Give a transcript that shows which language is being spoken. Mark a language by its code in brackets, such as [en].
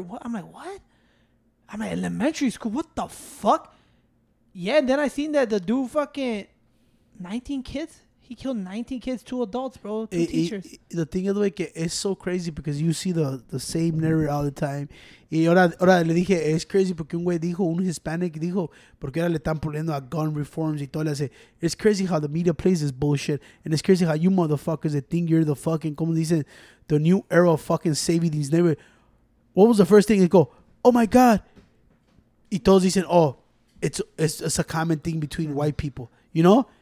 [en] What? I'm like, what? I'm at elementary school. What the fuck? Yeah, and then I seen that the dude fucking 19 kids. He killed 19 kids, two adults, bro, two teachers. The thing is, like, it's so crazy because you see the same narrative all the time. [es] Y ahora le dije, es crazy porque un güey dijo, un Hispanic dijo, porque ahora le están poniendo a [en] gun reforms [es] y todo. Le hace, [en] it's crazy how the media plays this bullshit. And it's crazy how you motherfuckers that think you're the fucking, [es] como dicen, [en] the new era of fucking saving these neighborhoods. What was the first thing? They go, oh my God. [es] Y todos dicen, [en] oh, it's a common thing between white people, you know?